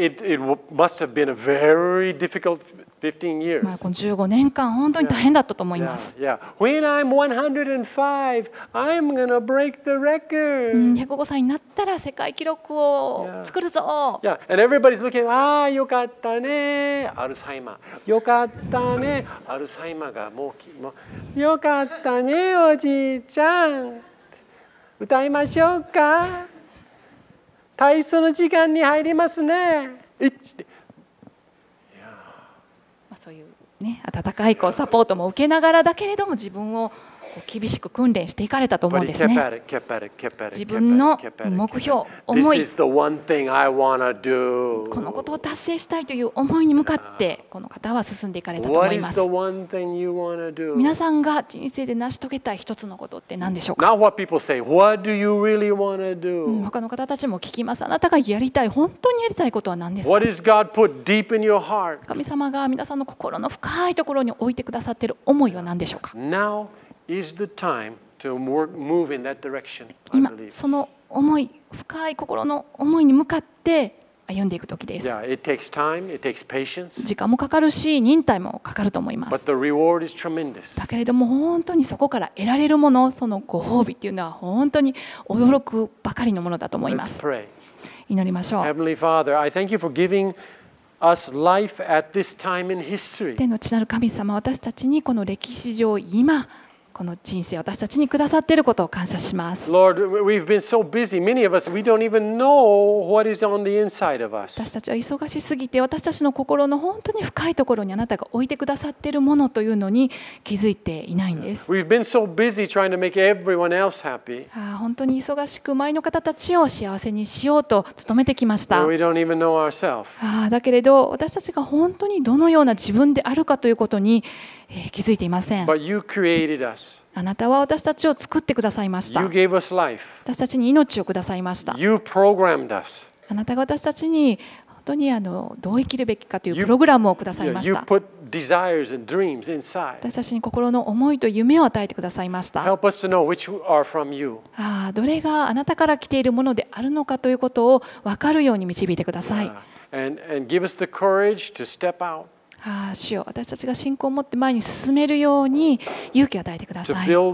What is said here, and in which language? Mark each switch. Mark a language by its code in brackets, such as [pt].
[en] It must have been a very difficult 15 years. [ja] まあこの15年間本当に大変だったと思います。 [en] Yeah. When I'm 105, I'm gonna break the record. [ja] 105歳になったら世界記録を作るぞ。 [en] Yeah. And everybody's looking. [ja] ああよかったね、アルツハイマー。よかったね、アルツハイマーがもうきもうよかったね、おじい。ちゃん歌いましょうか。体操の時間に入りますね。まあ、そういうね、温かいこうサポートも受けながらだけれども自分をこう厳しく訓練していかれたと思うんですね。自分の目標、思い、 [en] This is the one thing I wanna do. [ja] このことを達成したいという思いに向かってこの方は進んでいかれたと思います。 [en] What is the one thing you wanna do? [ja] 皆さんが人生で成し遂げたい一つのことって何でしょうか。 [en] Not what people say. What do you really wanna do? [ja] 他の方たちも聞きます。あなたがやりたい、本当にやりたいことは何ですか。 [en] What is God put deep in your heart? [ja] 神様が皆さんの心の深いところに置いてくださっている思いは何でしょうか。 [en] Now,Is the time to move in that direction, I believe. [ja] 今その思い、深い心の思いに向かって歩んでいく時です。 [en] Yeah, it takes time, it takes patience. [ja] 時間もかかるし、忍耐もかかると思います。 [en] But the reward is tremendous. [ja] だけれども本当にそこから得られるもの、そのご褒美っていうのは本当に驚くばかりのものだと思います。 [en] Let's pray. [ja] 祈りましょう。 [en] Heavenly Father, I thank you for giving. Us life at this time in history. [ja] 天の地なる神様、私たちにこの歴史上今この人生私たちにくださっていることを感謝します。 [en] Lord, we've been so busy. Many of us, we don't even know what is on the inside of us. [ja] 私たちは忙しすぎて、私たちの心の本当に深いところにあなたが置いてくださっているものというのに気づいていないんです。 [en] We've been so busy trying to make everyone else happy. [ja] 本当に忙しく周りの方たちを幸せにしようと努めてきました。 [en] We don't even know ourselves. [ja] だけれど、私たちが本当にどのような自分であるかということに気づいていません。 [en] But you created us. [ja] あなたは私たちを作ってくださいました。 [en] You gave us life. [ja] 私たちに命をくださいました。 [en] You programmed us. [ja] あなたが私たちに本当にどう生きるべきかというプログラムをくださいました。 [en] You put desires and dreams inside. [ja] 私たちに心の思いと夢を与えてくださいました。 [en] Help us to know which are from you. [ja] どれがあなたから来ているものであるのかということを分かるように導いてください。 [en] Yeah. And give us the courage to step out. [ja] 主よ、私たちが信仰を持って前に進めるように勇気を与えてください。